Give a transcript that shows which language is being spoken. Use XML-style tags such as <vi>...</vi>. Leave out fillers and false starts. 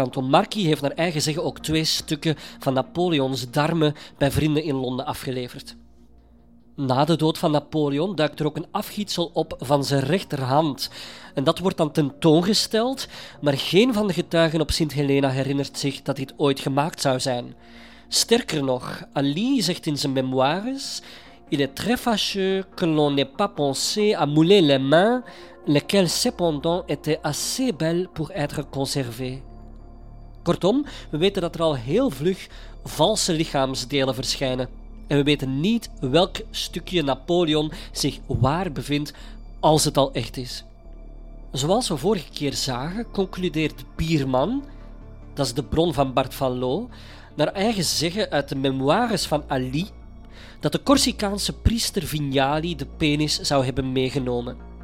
<nl>Anton Marquis heeft naar eigen zeggen ook 2 stukken van Napoleons darmen bij vrienden in Londen afgeleverd. Na de dood van Napoleon duikt er ook een afgietsel op van zijn rechterhand. En dat wordt dan tentoongesteld, maar geen van de getuigen op Sint Helena herinnert zich dat dit ooit gemaakt zou zijn. Sterker nog, Ali zegt in zijn memoires:</nl> <fr>il est très fâcheux que l'on n'ait pas pensé à mouler les mains, lesquelles cependant étaient assez belles pour être conservées.</fr> <nl>Kortom, we weten dat er al heel vlug valse lichaamsdelen verschijnen. En we weten niet welk stukje Napoleon zich waar bevindt als het al echt is. Zoals we vorige keer zagen, concludeert Bierman, dat is de bron van Bart van Loo, naar eigen zeggen uit de memoires van Ali, dat de Corsicaanse priester Vignali de penis zou hebben meegenomen.</nl>